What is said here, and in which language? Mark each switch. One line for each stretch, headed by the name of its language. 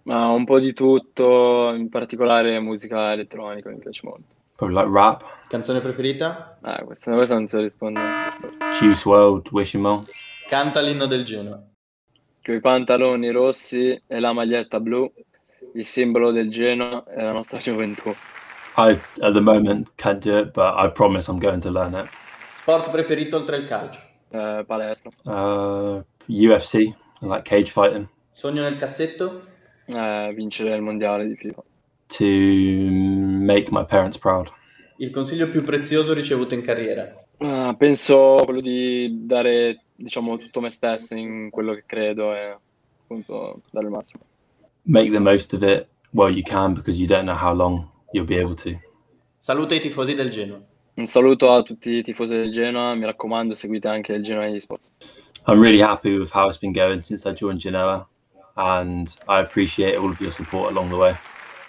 Italian: Ma un po' di tutto, in particolare musica elettronica, mi piace molto.
English: Probably like rap.
Italian: Canzone preferita? Questa non so rispondere.
English: Juice WRLD, Wishing Well.
Italian: Canta l'inno del Genoa. Con i pantaloni rossi e la maglietta blu, il simbolo del Genoa è la nostra gioventù.
English: I at the moment can't do it, but I promise I'm going to learn it.
Italian: Sport preferito oltre al calcio? Palestra.
English: UFC, like cage fighting.
Italian: Sogno nel cassetto? Vincere il mondiale di FIFA.
English: To make my parents proud.
Italian: Il consiglio più prezioso ricevuto in carriera? Penso quello di dare, diciamo, tutto me stesso in quello che credo e appunto dare il massimo.
English: Make the most of it while you can because you don't know how long you'll be able to.
Italian: Saluto ai tifosi del Genoa. Un saluto a tutti i tifosi del Genoa, mi raccomando, seguite anche il Genoa eSports.
English: I'm really happy with how it's been going since I joined Genoa and I appreciate all of your support along the way.